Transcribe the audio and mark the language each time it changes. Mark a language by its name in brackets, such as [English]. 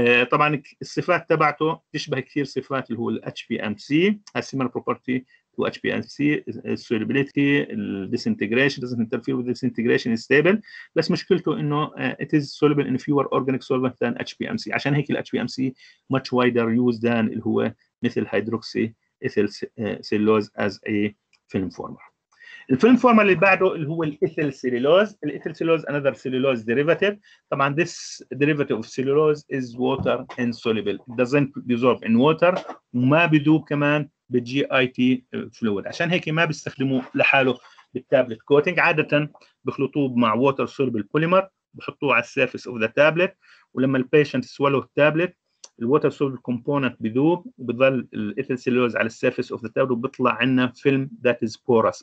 [Arabic] طبعا الصفات تبعته تشبه كثير صفات اللي هو ال [English] HPMC similar property to HPMC solubility disintegration doesn't interfere with disintegration is stable [Arabic] بس مشكلته انه [English] it is soluble in fewer organic solvents than HPMC [Arabic] عشان هيك ال [English] HPMC much wider use than [Arabic] اللي هو مثل هيدروكسي [English] ethyl cellulose as a film former. [Arabic] الفيلم فورما اللي بعده اللي هو الإيثيل سيلولوز. [English] الإيثيل cellulose another cellulose derivative. [Arabic] طبعا [English] this derivative of cellulose is water insoluble. It doesn't dissolve in water [Arabic] وما بدوب كمان [English] بالGIT fluid. [Arabic] عشان هيك ما بيستخدموه لحاله بالتابلت كوتينج. عادة بخلطوه مع [English] water soluble polymer [Arabic] بحطوه على [English] surface of the tablet [Arabic] ولما البيشنت [English] swallow [Arabic] التابلت الwater soluble component بيذوب وبيظل الإيثيل سيلولوز على السيرفيس اوف ذا تابلت وبيطلع عنا فيلم ذات از بوراس.